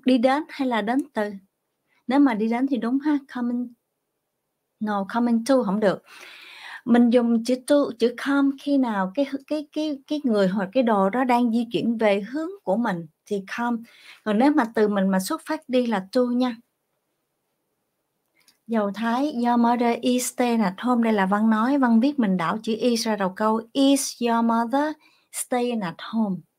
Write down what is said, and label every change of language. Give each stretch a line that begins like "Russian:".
Vietnamese: Đi đến hay là đến từ? Nếu mà đi đến thì đúng ha, coming. No, coming to không được. Mình dùng chữ to, chữ come khi nào cái người hoặc cái đồ đó đang di chuyển về hướng của mình thì come. Còn nếu mà từ mình mà xuất phát đi là to nha.
English: Dầu Thái, your mother is staying at home.
Vietnamese: Đây là văn nói, văn viết mình đảo chữ is ra đầu câu.
English: Is your mother staying at home?